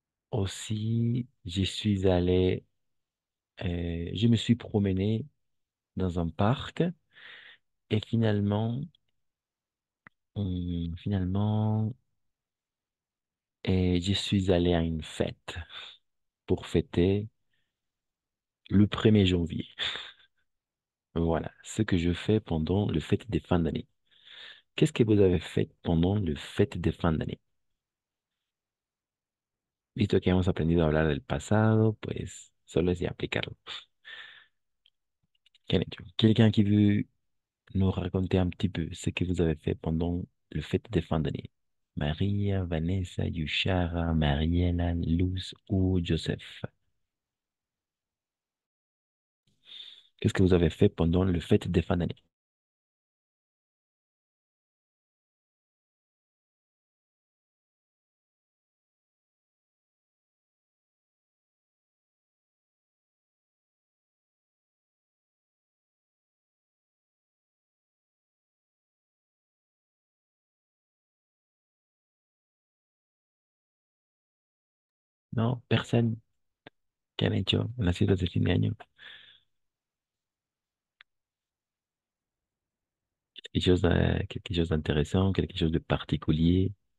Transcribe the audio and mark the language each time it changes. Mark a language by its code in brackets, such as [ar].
[fr] Aussi, je me suis promené dans un parc et finalement, je suis allé à une fête pour fêter le 1er janvier. Voilà ce que je fais pendant le fête des fins d'année. Qu'est-ce que vous avez fait pendant le fête des fins d'année? [es] Visto que hemos aprendido a hablar del pasado, pues solo es de aplicarlo. [fr] ¿Quelqu'un qui veut nous raconter un petit peu ce que vous avez fait pendant le fête des fins d'année? Maria, Vanessa, Yushara, Mariela, Luz ou Joseph? Qu'est-ce que vous avez fait pendant le fête des fins d'année? No, personne. [es] ¿Qué han hecho en las fiestas de fin de año? [fr] Quelque chose d'intéressant, quelque chose de particulier.